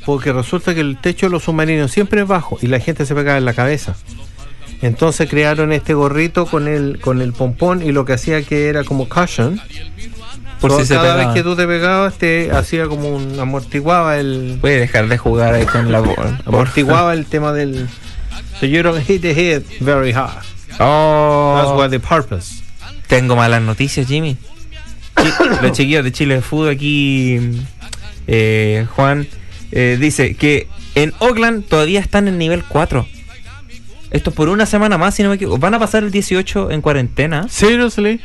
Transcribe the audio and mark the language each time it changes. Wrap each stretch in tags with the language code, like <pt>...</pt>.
<es>Porque resulta que el techo de los submarinos siempre es bajo y la gente se pega en la cabeza. Entonces crearon este gorrito con el pompón, y lo que hacía que era como cushion. Por si cada se vez que tú te pegabas te hacía como un amortiguaba el... Voy a dejar de jugar ahí con la bola. Amortiguaba el tema del...</es> <en>So you don't hit the head very hard. Oh, that's what the purpose.</en> <es>Tengo malas noticias, Jimmy. Los chiquillos de Chile Food aquí, Juan, dice que en Oakland todavía están en nivel 4. Esto por una semana más, si no me equivoco. ¿Van a pasar el 18 en cuarentena?</es> <en>Seriously.</en>